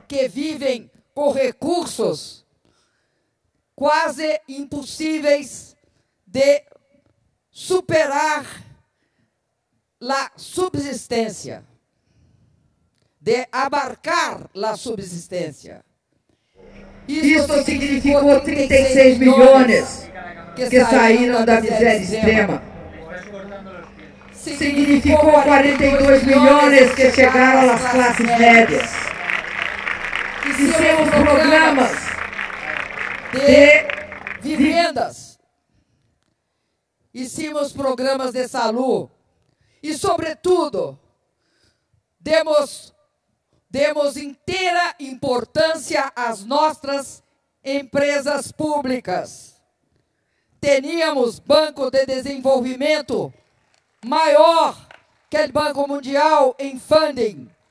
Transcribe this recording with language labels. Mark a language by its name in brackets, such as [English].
[Spanish] que viven con recursos quase imposibles de superar la subsistencia, de abarcar la subsistencia. [Portuguese] Isso significou 36 milhões que saíram da miséria extrema. Significou 42 milhões que chegaram às classes médias. Fizemos programas de vivendas. [Spanish] Hicimos programas de salud. [Portuguese] E, sobretudo, demos inteira importância às nossas empresas públicas. [Spanish] Teníamos [Portuguese] Banco de Desenvolvimento maior que o Banco Mundial em funding.